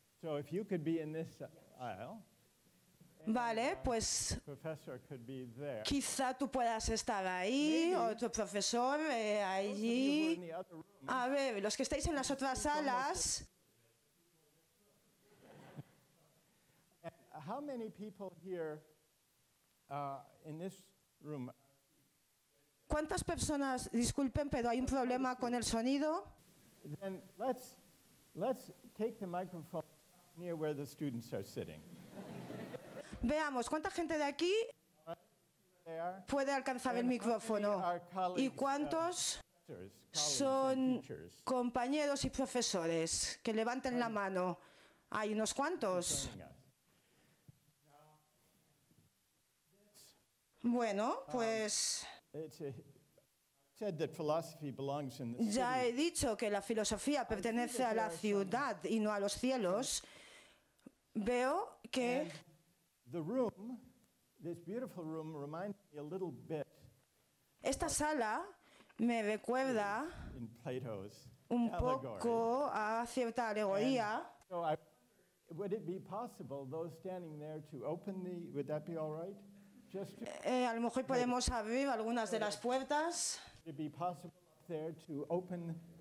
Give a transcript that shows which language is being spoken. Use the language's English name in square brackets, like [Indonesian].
[English] So if you could be in this aisle, [Spanish] vale, pues [English] professor could be there. [Spanish] Quizá tú puedas estar ahí, otro profesor allí. A ver, los que estáis en las otras salas. [English] How many people here in this room? [Spanish] ¿Cuántas personas? Disculpen, pero hay un problema con el sonido. [English] Then let's take the microphone near where the students are sitting. [Spanish] Veamos, ¿cuánta gente de aquí puede alcanzar el micrófono? ¿Y cuántos son compañeros y profesores? Que levanten la mano. Hay unos cuantos. Bueno, pues... [English] said that philosophy belongs in the [Spanish] city. Ya he dicho que la filosofía pertenece a la ciudad y no a los cielos. Veo que [English] the room, this beautiful room, reminds me a little bit. [Spanish] Esta sala me recuerda [English] in Plato's [Spanish] un poco a cierta alegoría. [English] So would it be possible, those standing there, to open the? Would that be all right? [Spanish] Just a lo mejor podemos abrir algunas de las puertas. [English] Would it be possible up there to open?